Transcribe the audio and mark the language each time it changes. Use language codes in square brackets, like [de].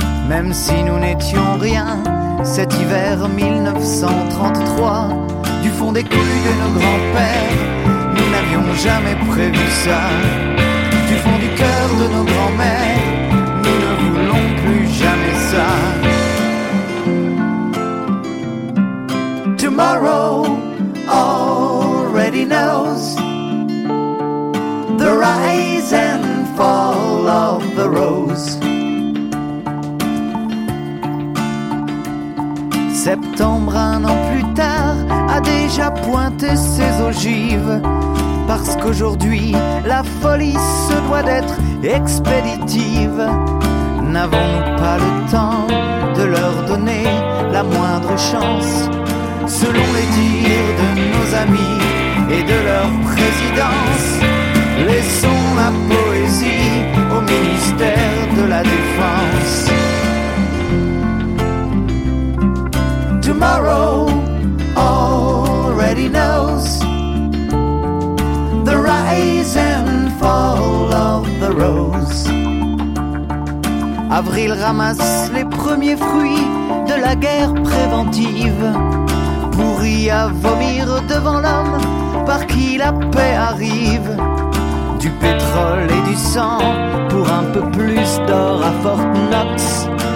[fr] Même si nous n'étions rien cet hiver 1933, du fond des couilles de nos grands-pères, nous n'avions jamais prévu ça. Du fond du cœur de nos grands-mères, nous ne voulons plus jamais ça. [en] Tomorrow already knows the rise and fall of the rose. [fr] Septembre, un an plus tard, a déjà pointé ses ogives. Parce qu'aujourd'hui, la folie se doit d'être expéditive. N'avons-nous pas le temps de leur donner la moindre chance? Selon les dires de nos amis et de leur présidence, laissons la poésie au ministère de la Défense. [en] Tomorrow already knows the rise and fall of the rose. [fr] Avril ramasse les premiers fruits de la guerre préventive. À vomir devant l'homme par qui la paix arrive. Du pétrole et du sang pour un peu plus d'or à Fort Knox.